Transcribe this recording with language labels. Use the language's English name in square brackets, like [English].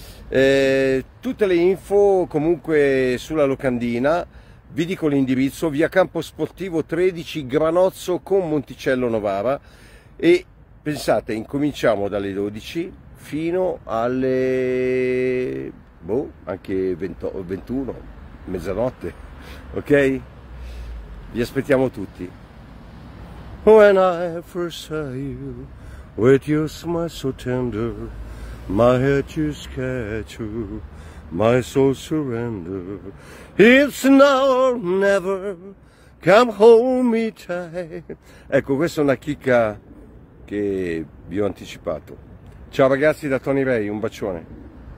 [Italian] Tutte le info comunque sulla locandina, vi dico l'indirizzo: via Campo Sportivo 13, Granozzo con Monticello Novara. E pensate, incominciamo dalle 12 fino alle boh, anche 20, 21, mezzanotte. Ok? Vi aspettiamo tutti. [English] When I first saw you, with your smile so tender, my head just captured, my soul surrender. It's now or never, come hold me tight. [Italian] Ecco, questa è una chicca che vi ho anticipato. Ciao ragazzi, da Tony Ray, un bacione.